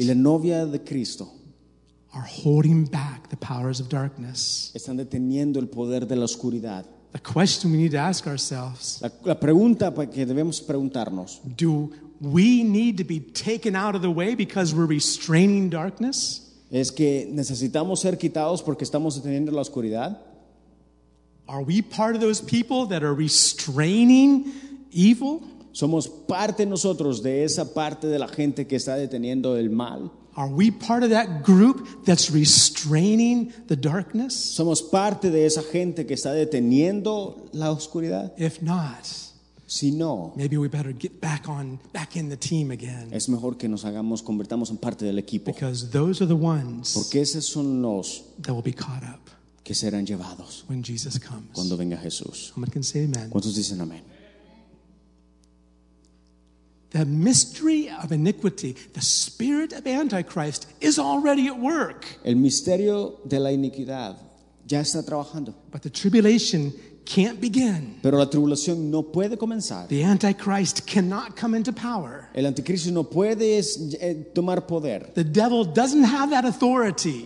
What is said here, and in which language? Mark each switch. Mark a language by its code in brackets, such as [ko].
[es] Y la novia de Cristo. [en] Are holding back the powers of darkness. [es] Están deteniendo el poder de la oscuridad. [en] The question we need to ask ourselves. [es] La pregunta que debemos preguntarnos. [en] Do we need to be taken out of the way because we're restraining darkness? [es] ¿Es que necesitamos ser quitados porque estamos deteniendo la oscuridad? [en] Are we part of those people that are restraining evil? [es] ¿Somos parte nosotros de esa parte de la gente que está deteniendo el mal? [en] Are we part of that group that's restraining the darkness? [es] ¿Somos parte de esa gente que está deteniendo la oscuridad? [en] If not, [es] si no, [en] maybe we better get back in the team again. [es] Es mejor que nos hagamos convertamos en parte del equipo. [en] Because those are the ones, [es] porque esos son los [en] that will be caught up, [es] que serán llevados [en] when Jesus comes, [es] cuando venga Jesús. [en] How many can say amen? [es] ¿Cuántos dicen amén? [en] The mystery of iniquity, the spirit of Antichrist, is already at work. [es] El misterio de la iniquidad ya está trabajando. [en] But the tribulation can't begin. [es] Pero la tribulación no puede comenzar. [en] The Antichrist cannot come into power. [es] El anticristo no puede tomar poder. [en] The devil doesn't have that authority.